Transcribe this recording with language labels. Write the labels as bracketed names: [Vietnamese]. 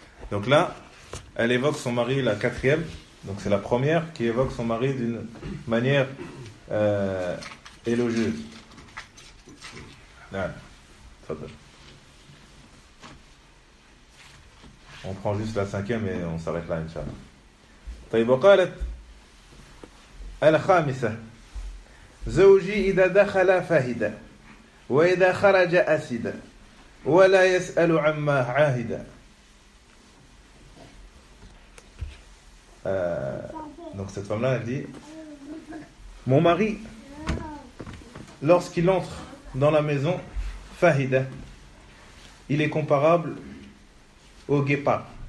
[French] Donc là, elle évoque son mari, la quatrième. Donc c'est la première qui évoque son mari d'une manière élogieuse. On prend juste la cinquième et on s'arrête là, Inch'Allah. [Arabic] طيب وقالت الخامسة زوجي إذا دخل فهد وإذا خرج أسد ولا يسأل عما عاهد. [French] Donc cette femme-là, elle dit: mon mari, lorsqu'il entre dans la maison, فهد, il est comparable au guépard.